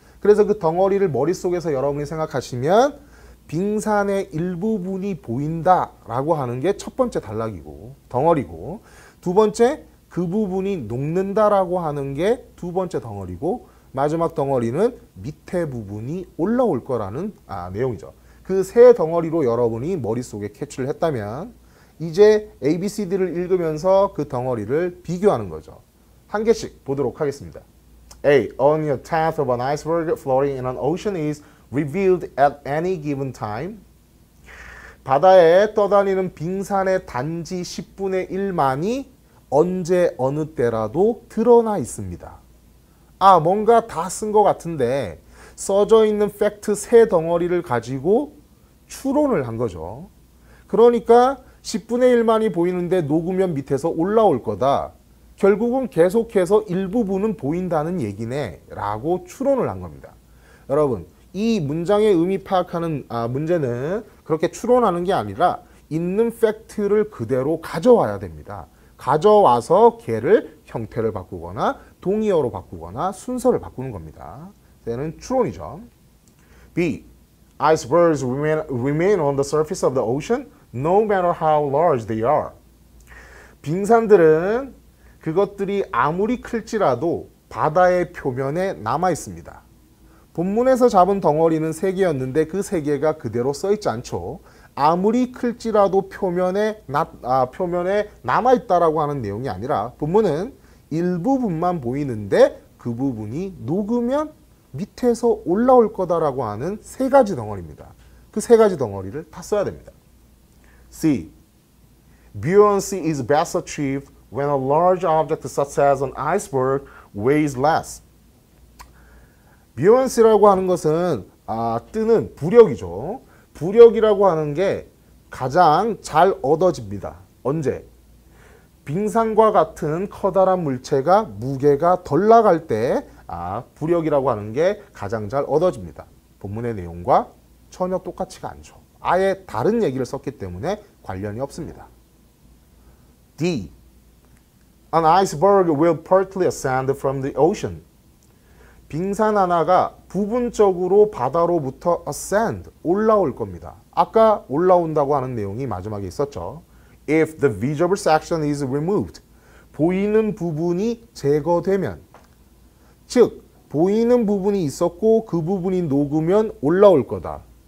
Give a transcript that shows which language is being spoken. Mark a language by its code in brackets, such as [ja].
[ko] 그래서 그 덩어리를 머릿속에서 여러분이 생각하시면 빙산의 일부분이 보인다라고 하는 게 첫 번째 단락이고 덩어리고 두 번째 그 부분이 녹는다라고 하는 게 두 번째 덩어리고 마지막 덩어리는 밑에 부분이 올라올 거라는 내용이죠. 그 세 덩어리로 여러분이 머릿속에 캐치를 했다면 이제 ABCD를 읽으면서 그 덩어리를 비교하는 거죠. 한 개씩 보도록 하겠습니다. A. [en] Only a tenth of an iceberg floating in an ocean is revealed at any given time. [ko] 바다에 떠다니는 빙산의 단지 10분의 1만이 언제 어느 때라도 드러나 있습니다. 아, 뭔가 다 쓴 것 같은데 써져 있는 팩트 세 덩어리를 가지고 추론을 한 거죠. 그러니까 10분의 1만이 보이는데 녹으면 밑에서 올라올 거다. 결국은 계속해서 일부분은 보인다는 얘기네 라고 추론을 한 겁니다. 여러분, 이 문장의 의미 파악하는 문제는 그렇게 추론하는 게 아니라 있는 팩트를 그대로 가져와야 됩니다. 가져와서 걔를 형태를 바꾸거나 동의어로 바꾸거나 순서를 바꾸는 겁니다. 얘는 추론이죠. B. [en] Icebergs remain on the surface of the ocean no matter how large they are. 빙산들은 [ko] 그것들이 아무리 클지라도 바다의 표면에 남아 있습니다. 본문에서 잡은 덩어리는 세 개였는데 그세 개가 그대로 써 있지 않죠. 아무리 클지라도 표면에 남아있다라고 하는 내용이 아니라 본문은 일부분만 보이는데 그 부분이 녹으면 밑에서 올라올 거다라고 하는 세 가지 덩어리입니다. 그세 가지 덩어리를 다 써야 됩니다. C. [en] Buoyancy is best achieved when a large object such as an iceberg weighs less. [ko] Buoyancy라고 하는 것은 뜨는 부력이죠. 부력이라고 하는 게 가장 잘 얻어집니다. 언제? 빙상과 같은 커다란 물체가 무게가 덜 나갈 때, 부력이라고 하는 게 가장 잘 얻어집니다. 본문의 내용과 전혀 똑같지가 않죠. 아예 다른 얘기를 썼기 때문에 관련이 없습니다. D. [en] An iceberg will partly ascend from the ocean. [ko] 빙산 하나가 부분적으로 바다로부터 ascend, 올라올 겁니다. 아까 올라온다고 하는 내용이 마지막에 있었죠. If the visible section is removed, 보이는 부분이 제거되면, 즉, 보이는 부분이 있었고 그 부분이 녹으면 올라올 거다.